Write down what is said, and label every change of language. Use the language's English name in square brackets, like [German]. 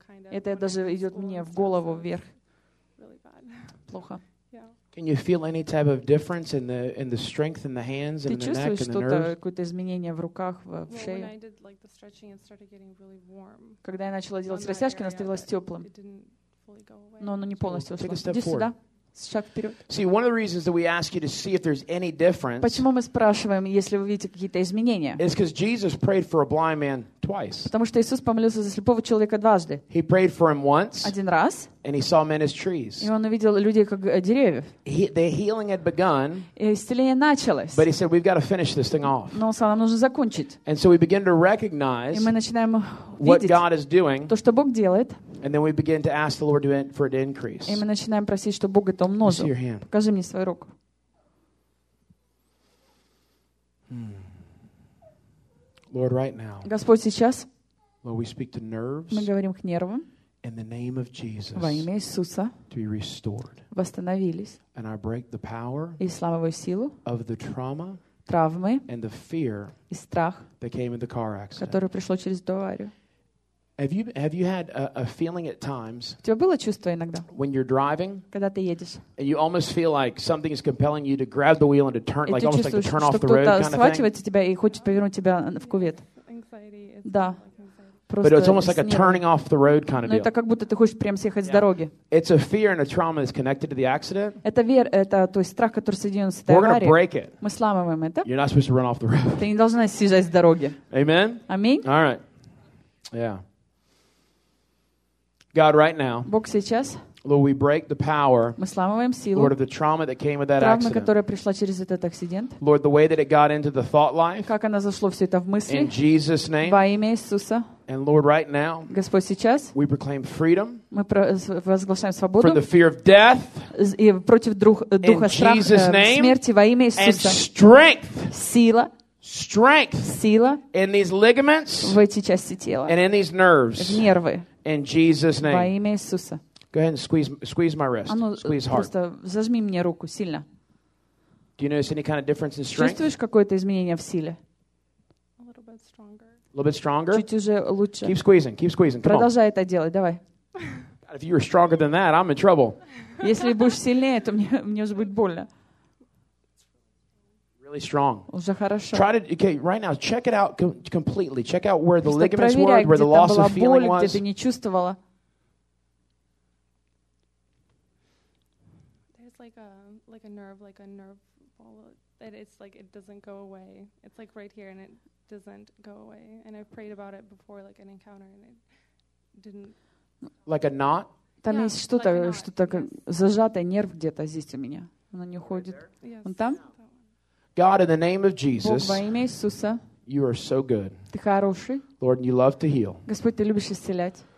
[Russian] Это даже идет мне в голову вверх. Плохо. [English] Can you feel any type of difference in the strength in the hands and the neck and the nerves? [Russian] Ты чувствуешь какое-то изменение в руках, в шее? [English] When I did like the stretching, it started getting really warm. [Russian] Когда я начала делать растяжки, оно становилось теплым. Но оно не полностью ушло. Иди сюда. Шаг вперед. [English] See, one of the reasons that we ask you to see if there's any difference. [Russian] Почему мы спрашиваем, если вы видите какие-то изменения? [English] It's because Jesus prayed for a blind man twice. [Russian] Потому что Иисус помолился за слепого человека дважды. [English] He prayed for him once. [Russian] Один раз. [English] And he saw men as trees. [Russian] И он увидел людей как деревьев. [English] The healing had begun. [Russian] И исцеление началось. [English] But he said, "We've got to finish this thing off." [Russian] Но он сказал, нам нужно закончить. [English] And so we begin to recognize. [Russian] И мы начинаем [English] what God is doing. [Russian] То, что Бог делает. [English] And then we begin to ask the Lord for it to increase. [Russian] И мы начинаем просить, чтобы Бог это умножил. [English] See your hand. [Russian] Покажи мне свою руку. [English] Lord, right now. [Russian] Господь, сейчас. [English] Lord, we speak to nerves. [Russian] Мы говорим к нервам. [English] In the name of Jesus. [Russian] Во имя Иисуса. [English] To be restored. [Russian] Восстановились. [English] And I break the power. [Russian] И сломаю силу. [English] Of the trauma. [Russian] Травмы. [English] And the fear. [Russian] И страх. [English] That came in the car accident. [Russian] Которое пришло через аварию. [English] Have you had a feeling at times? [Russian] У тебя было чувство иногда? [English] When you're driving? [Russian] Когда ты едешь? [English] And you almost feel like something is compelling you to grab the wheel and to turn, like almost like to turn off the road kind of thing. [Russian] Что кто-то схватывает тебя и хочет повернуть тебя в кювет? Да. [English] But it's almost like a turning off the road kind of deal. [Russian] Но это как будто ты хочешь прям съехать с дороги. [English] It's a fear and a trauma that's connected to the accident. [Russian] Это то есть страх, который соединен с этой аварией. [English] We're gonna break it. [Russian] Мы сломаем это. [English] You're not supposed to run off the road. [Russian] Ты не должна съезжать с дороги. [English] Amen. [Russian] Аминь. [English] All right. Yeah. God, right now, [Russian] Бог сейчас, [English] Lord, we break the power, [Russian] мы сломаем силу, [English] Lord, of the trauma that came with that [Russian] травмы, [English] accident, [Russian] которая пришла через этот акцидент, [English] Lord, the way that it got into the thought life, [Russian] как она зашла все это в мысли, [English] in Jesus' name, [Russian] во имя Иисуса, [English] and Lord, right now, [Russian] Господь сейчас, [English] we proclaim freedom, [Russian] мы провозглашаем свободу, [English] from the fear of death, [Russian] и против духа страха смерти, во имя Иисуса, [English] and strength, [Russian] сила. [English] Strength [Russian] сила [English] in these ligaments [Russian] в эти части тела [English] and in these nerves [Russian] в нервы [English] in Jesus name [Russian] во имя Иисуса. [English] Go ahead and squeeze my wrist. Squeeze hard. [Russian] Просто зажми мне руку сильно. [English] Do you notice any kind of difference in strength? [Russian] Чувствуешь какое-то изменение в силе? [English] A little bit stronger. A little bit stronger. [Russian] Чуть уже лучше. [English] Keep squeezing. Keep squeezing. Come [Russian] продолжай [English] on. [Russian] Это делать. Давай. [English] God, if you were stronger than that, I'm in trouble. [Russian] Если будешь сильнее, то мне уже будет больно. [English] Really strong. [Russian] Уже хорошо. [English] Try to okay right now. Check it out completely. Check out where the ligaments were, where the loss of feeling was. [Russian] Где ты не чувствовала? [English] There's like a nerve ball that it's like it doesn't go away. It's like right here and it doesn't go away. And I prayed about it before like an encounter and it didn't. Like a knot. [Russian] Там есть что-то зажатый нерв где-то здесь у меня. Оно не уходит. Он там? [English] God, in the name of Jesus, [Russian] Бог, во имя Иисуса, [English] you are so good. [Russian] Ты хороший. [English] Lord, you love to heal. [Russian] Господь, ты любишь исцелять.